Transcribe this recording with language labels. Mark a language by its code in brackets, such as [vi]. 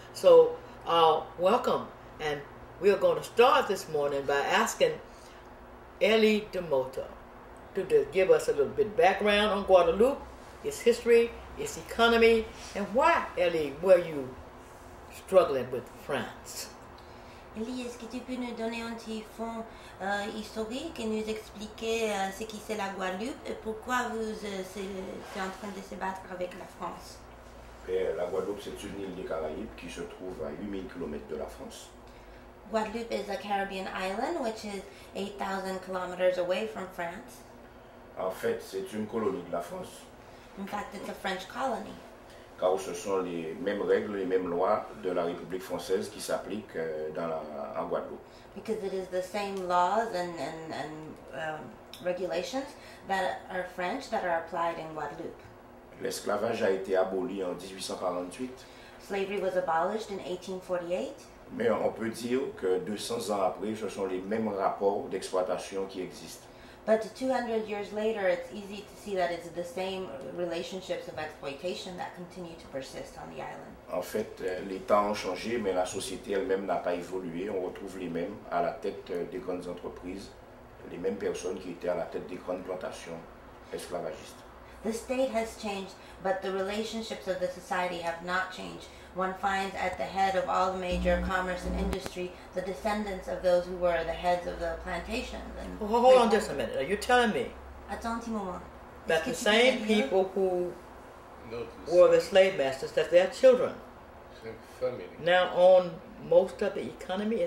[en] So welcome. And we are going to start this morning by asking Elie Domota to give us a little bit of background on Guadeloupe, its history, its economy, and why, Elie, were you struggling with France? [fr] Elie, est-ce que tu peux nous donner un petit fond historique et nous expliquer ce qui c'est la Guadeloupe et pourquoi vous êtes en train de se battre avec la France? Et la Guadeloupe, c'est une île des Caraïbes qui se trouve à 8000 km de la France. [en] Guadeloupe is a Caribbean island which is 8000 kilometers away from France. [fr] En fait, c'est une colonie de la France. [en] In fact, it's a French colony. [fr] Car ce sont les mêmes règles, les mêmes lois de la République française qui s'appliquent en Guadeloupe. [en] Because it is the same laws and regulations that are French that are applied in Guadeloupe. [fr] L'esclavage a été aboli en 1848. [en] Slavery was abolished in 1848. [fr] Mais on peut dire que 200 ans après, ce sont les mêmes rapports d'exploitation qui existent. [en] But 200 years later, it's easy to see that it's the same relationships of exploitation that continue to persist on the island. [fr] En fait, les temps ont changé, mais la société elle-même n'a pas évolué. On retrouve les mêmes à la tête des grandes entreprises, les mêmes personnes qui étaient à la tête des grandes plantations esclavagistes. [en] The state has changed, but the relationships of the society have not changed. One finds at the head of all the major commerce and industry the descendants of those who were the heads of the plantations. Hold on just a minute. Are you telling me that the same people who were the slave masters, that their children now own most of the economy?